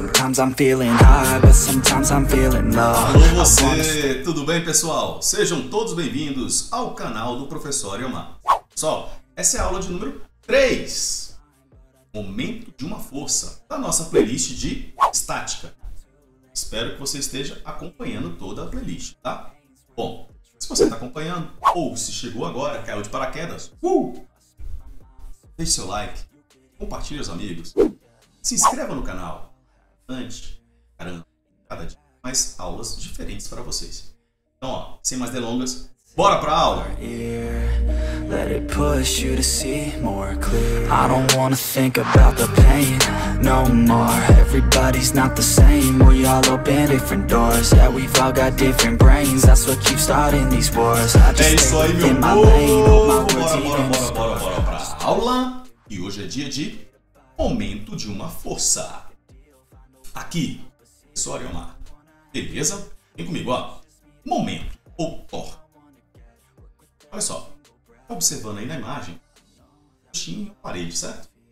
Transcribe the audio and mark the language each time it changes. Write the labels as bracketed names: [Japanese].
[English] sometimes I'm feeling high, but sometimes I'm feeling low. [Portuguese] Alô você! Tudo bem, pessoal? Sejam todos bem-vindos ao canal do Professor Iomar. Pessoal, essa é a aula de número 3. Momento de uma força da nossa playlist de estática. Espero que você esteja acompanhando toda a playlist, tá? Bom, se você está acompanhando ou se chegou agora, caiu de paraquedas, deixe seu like, compartilhe os amigos, se inscreva no canal. Antes, caramba, cada dia mais aulas diferentes para vocês. Então, ó, sem mais delongas, bora pra aula! [English] Let it push you to see more clear. I don't wanna think about the pain no more. Everybody's not the same. We all open different doors. Yeah, we've all got different brains. That's what keeps starting these wars. I just stay within my lane. [Portuguese] Bora pra aula. E hoje é dia de momento de uma força. Aqui, professor Iomar. Beleza? Vem comigo, ó. Momento ou torque. Olha só, observando aí na imagem, tinha uma parede, certo?